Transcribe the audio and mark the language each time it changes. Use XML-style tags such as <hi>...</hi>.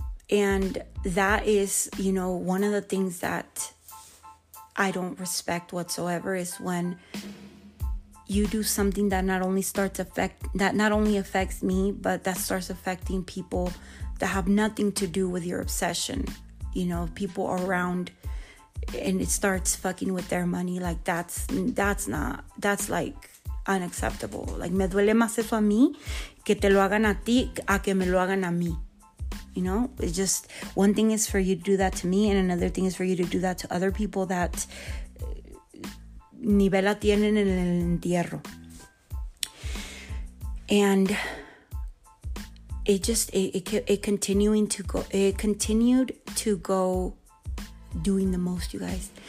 <en>And that is, you know, one of the things that I don't respect whatsoever, is when you do something that not only affects me, but that starts affecting people that have nothing to do with your obsession. You know, people around, and it starts fucking with their money. Like, that's like unacceptable. Like,</en> <es>me duele más eso a mí que te lo hagan a ti a que me lo hagan a mí.</es> <en>You know, it's just one thing is for you to do that to me, and another thing is for you to do that to other people that</en> <es>ni vela tienen en el entierro.</es> <en>And it continued to go doing the most, you guys.</en>